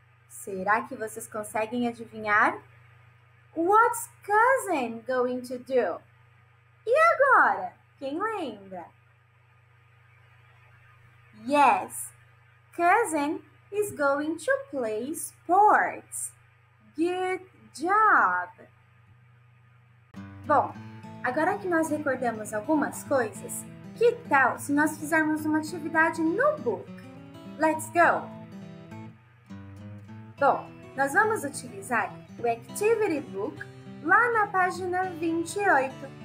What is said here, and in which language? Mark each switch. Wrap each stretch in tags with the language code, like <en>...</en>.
<pt>Será que vocês conseguem adivinhar?</pt> <en>What's cousin going to do?</en> <pt>E agora? Quem lembra?</pt> <en>Yes, cousin is going to play sports. Good job!</en> <pt>Bom, agora que nós recordamos algumas coisas, que tal se nós fizermos uma atividade no book?</pt> <en>Let's go!</en> <pt>Bom, nós vamos utilizar o Activity Book lá na página 28.</pt>